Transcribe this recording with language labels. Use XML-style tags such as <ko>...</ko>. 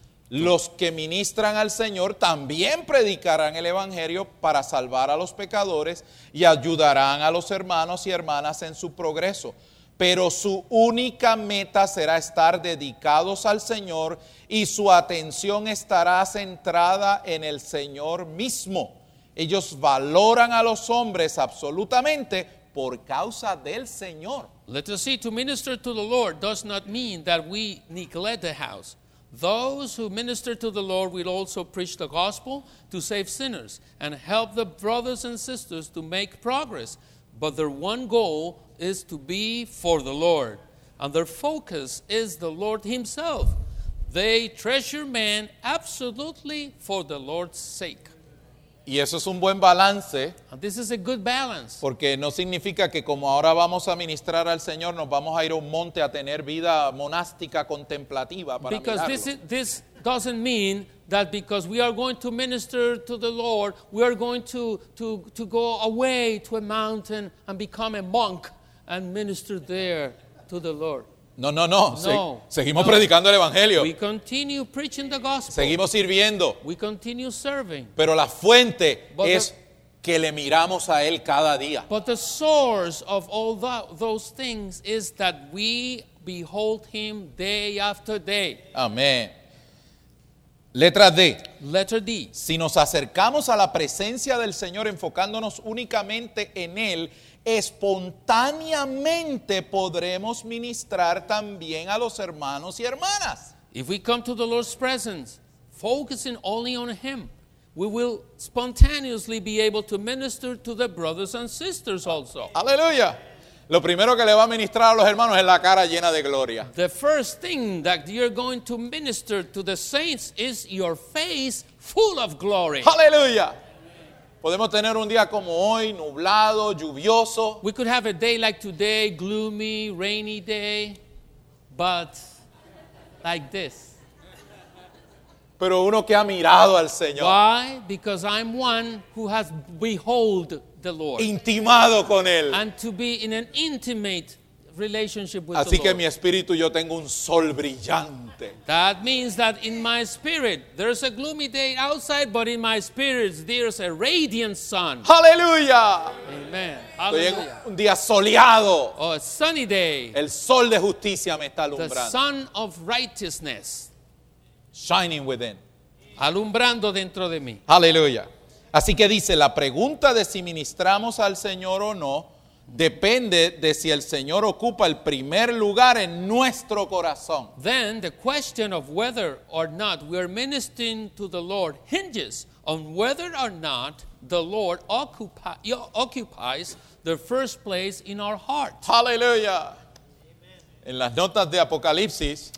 <es>Los que ministran al Señor también predicarán el Evangelio para salvar a los pecadores y ayudarán a los hermanos y hermanas en su progreso. Pero su única meta será estar dedicados al Señor y su atención estará centrada en el Señor mismo. Ellos valoran a los hombres absolutamente por causa del Señor.</es> <en>Let us see, to minister to the Lord does not mean that we neglect the house. Those who minister to the Lord will also preach the gospel to save sinners and help the brothers and sisters to make progress. But their one goal is to be for the Lord, and their focus is the Lord Himself. They treasure man absolutely for the Lord's sake.</en> <es>Y eso es un buen balance.</es> <en>And this is a good balance.</en> <es>Porque no significa que como ahora vamos a ministrar al Señor, nos vamos a ir a un monte a tener vida monástica contemplativa para</es> <en>because</en> <es>mirarlo.</es> <en>This doesn't mean that because we are going to minister to the Lord, we are going to go away to a mountain and become a monk and minister there to the Lord.</en> <es>No. Seguimos predicando el Evangelio.</es> <en>We continue preaching the gospel.</en> <es>Seguimos sirviendo.</es> <en>We continue serving.</en> <es>Pero la fuente es que le miramos a Él cada día.</es> <en>But the source of all those things is that we behold Him day after day.</en> <es>Amén. Letra D.</es> <en>Letter D.</en> <es>Si nos acercamos a la presencia del Señor enfocándonos únicamente en Él, espontáneamente podremos ministrar también a los hermanos y hermanas.</es> <en>If we come to the Lord's presence, focusing only on Him, we will spontaneously be able to minister to the brothers and sisters also.</en> <es>Aleluya. Lo primero que le va a ministrar a los hermanos es la cara llena de gloria.</es> <en>The first thing that you're going to minister to the saints is your face full of glory.</en> <es>Aleluya. Podemos tener un día como hoy, nublado, lluvioso.</es> <en>We could have a day like today, gloomy, rainy day, but like this.</en> <es>Pero uno que ha mirado al Señor.</es> <en>Why? Because I'm one who has beheld the Lord.</en> <es>Intimado con Él.</es> <en>And to be in an intimate relationship with</en> <es>Así</es> <en>the Lord.</en> <es>Así que mi espíritu yo tengo un sol brillante.</es> <en>That means that in my spirit, there's a gloomy day outside, but in my spirit, there's a radiant sun. Hallelujah. Amen.</en> <es>Estoy en un día soleado.</es> <en>Oh, a sunny day.</en> <es>El sol de justicia me está alumbrando.</es> <en>The sun of righteousness. Shining within.</en> <es>Alumbrando dentro de mí.</es> <en>Hallelujah.</en> <es>Así que dice, la pregunta de si ministramos al Señor o no, depende de si el Señor ocupa el primer lugar en nuestro corazón.</es> <en>Then the question of whether or not we are ministering to the Lord hinges on whether or not the Lord occupies the first place in our heart.</en> <es>Hallelujah. En las notas de Apocalipsis,</es>